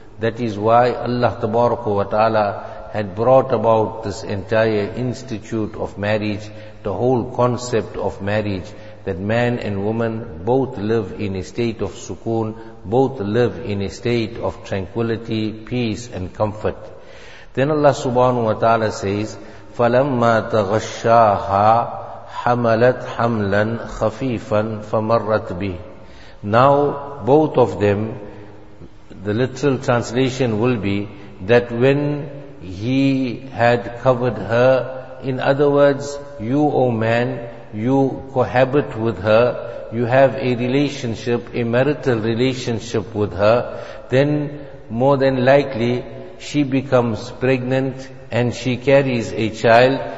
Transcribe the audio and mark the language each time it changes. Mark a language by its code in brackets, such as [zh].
[en] That is why Allah tabaraka wa ta'ala had brought about this entire institute of marriage, the whole concept of marriage, that man and woman both live in a state of sukoon, both live in a state of tranquility, peace and comfort. Then Allah subhanahu wa ta'ala says, [ar] فَلَمَّا تَغَشَّاهَا حَمَلَتْ حَمْلًا خَفِيفًا فَمَرَّتْ بِهِ. [en] Now both of them, the literal translation will be that when He had covered her, in other words, you, O man, you cohabit with her, you have a relationship, a marital relationship with her, then more than likely she becomes pregnant and she carries a child.